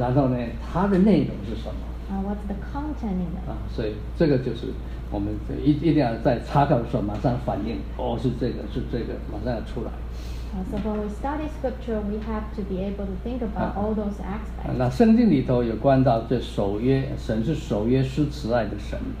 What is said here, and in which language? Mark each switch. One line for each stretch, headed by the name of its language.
Chinese: 然后呢，它的内容是什么
English: ？What's the content in it？
Chinese: 所以这个就是。我们一定要在查考的时候马上反应，哦，是这个，马上要出来。
English: So when we study scripture, we have to be able to think about all those aspects.
Chinese: 那圣经里头有关到这守约，神是守约施慈爱的神。